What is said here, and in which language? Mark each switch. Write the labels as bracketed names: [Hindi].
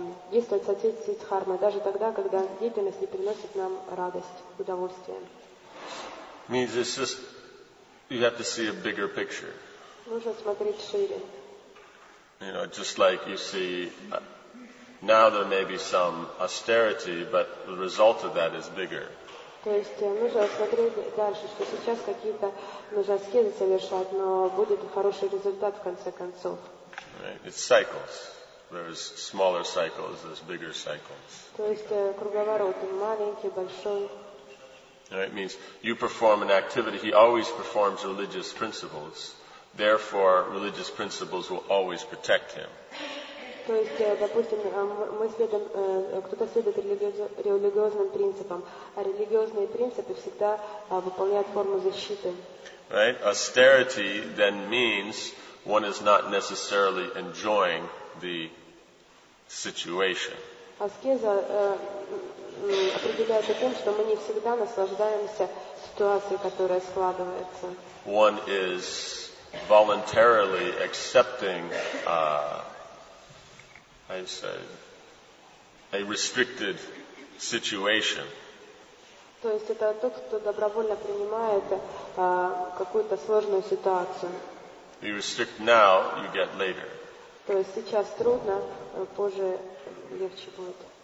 [Russian] действует сати-сидхарма, даже тогда, когда деятельность не приносит нам радость, удовольствие. [English] Means it's just, you have to see a bigger picture. [Russian] Нужно смотреть шире. [English] You know, just like you see, now there may be some austerity, but the result of that is bigger. [Russian] То есть нужно смотреть дальше, что сейчас какие-то нужно аскезы совершать, но будет хороший результат в конце концов. [English] Right. It's cycles. There's smaller cycles, there's bigger cycles. [Russian] То есть круговорот, маленький, большой. [English] It means you perform an activity, he always performs religious principles. Therefore, religious principles will always protect him. [Russian] То есть, допустим, мы следуем, кто-то следует религиозным принципам, а религиозные принципы всегда выполняют форму защиты. [English] Right? Austerity then means one is not necessarily enjoying the situation. [Russian] Аскеза определяется тем, что мы не всегда наслаждаемся ситуацией, которая складывается. [English] One is voluntarily accepting a restricted situation. [Russian] То есть это тот, кто добровольно принимает какую-то сложную ситуацию. [English] You restrict now, you get later. [Russian] То есть сейчас трудно, позже легче будет.